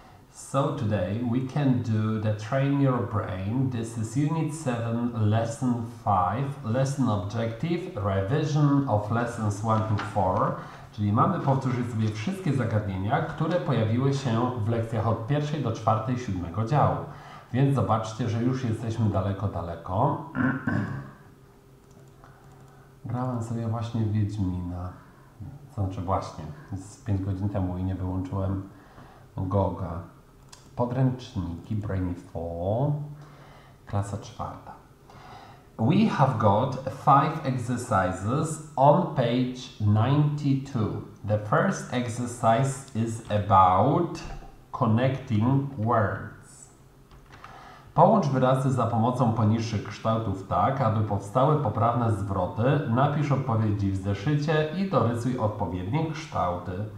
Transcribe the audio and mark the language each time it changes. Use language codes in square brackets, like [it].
[en] So today we can do the train your brain. This is unit 7, lesson 5, lesson objective, revision of lessons 1 to 4. [pl] Czyli mamy powtórzyć sobie wszystkie zagadnienia, które pojawiły się w lekcjach od 1 do 4, 7 działu. Więc zobaczcie, że już jesteśmy daleko, daleko. Grałem sobie właśnie w Wiedźmina. Znaczy właśnie, z 5 godzin temu i nie wyłączyłem Goga. Podręczniki, Brainy 4, klasa czwarta. [en] We have got 5 exercises on page 92. The first exercise is about connecting words. [pl] Połącz wyrazy za pomocą poniższych kształtów tak, aby powstały poprawne zwroty. Napisz odpowiedzi w zeszycie i dorysuj odpowiednie kształty.